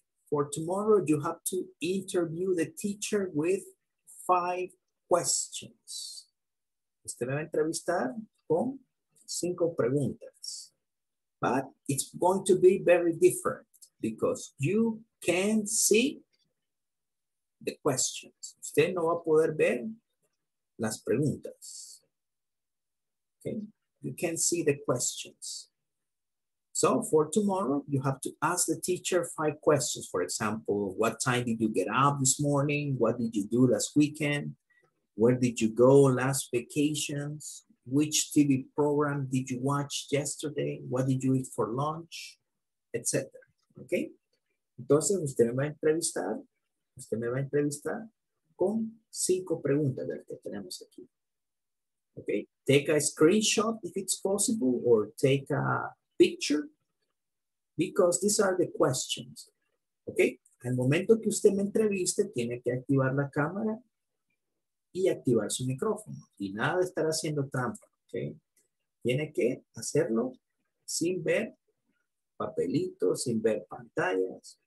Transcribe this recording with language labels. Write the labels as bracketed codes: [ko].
[en] For tomorrow, you have to interview the teacher with 5 questions. [es] Usted va a entrevistar con 5 preguntas. [en] But it's going to be very different because you can see the questions. [es] Usted no va a poder ver las preguntas. [en] Okay, you can see the questions. So for tomorrow, you have to ask the teacher 5 questions. For example, what time did you get up this morning? What did you do last weekend? Where did you go last vacations? Which TV program did you watch yesterday? What did you eat for lunch? Etc. Okay? [es] Entonces, usted me va a entrevistar con 5 preguntas del que tenemos aquí. [en] Okay, take a screenshot if it's possible or take a picture because these are the questions. [es] Okay, al momento que usted me entreviste, tiene que activar la cámara y activar su micrófono y nada de estar haciendo trampa. Okay, tiene que hacerlo sin ver papelitos, sin ver pantallas.